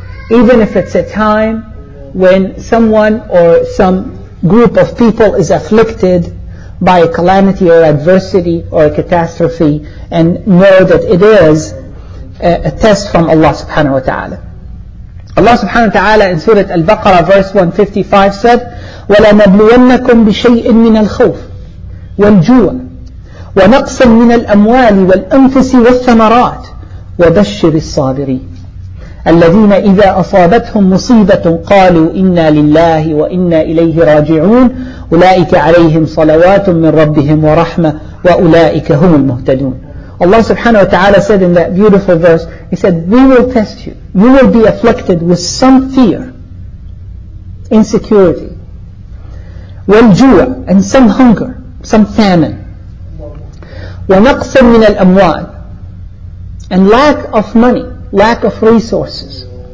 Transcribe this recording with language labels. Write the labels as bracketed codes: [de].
[en] Even if it's a time when someone or some group of people is afflicted by a calamity or adversity or a catastrophe, and know that it is a test from Allah subhanahu wa ta'ala. Allah subhanahu wa ta'ala in Surah Al-Baqarah verse 155 said, [ar] وَلَنَبْلُوَنَّكُمْ بِشَيْءٍ مِّنَ الْخَوْفِ وَالْجُوعِ وَنَقْصٍ مِّنَ الْأَمْوَالِ وَالْأَنْفُسِ وَالثَّمَرَاتِ وَبَشِّرِ الصَّابِرِينَ الَّذِينَ إِذَا أَصَابَتْهُمْ مُصِيبَةٌ قَالُوا إِنَّا لِلَّهِ وَإِنَّا إِلَيْهِ رَاجِعُونَ أُولَئِكَ عَلَيْهِمْ صَلَوَاتٌ مِّن رَّبِّهِمْ وَرَحْمَةٌ وَأُولَئِكَ هُمُ الْمُهْتَدُونَ. [en] Allah subhanahu wa ta'ala said in that beautiful verse, He said, we will test you. You will be afflicted with some fear, insecurity, والجوع, and some hunger, some famine. [ar] ونقص من الأموال, [en] and lack of money, lack of resources.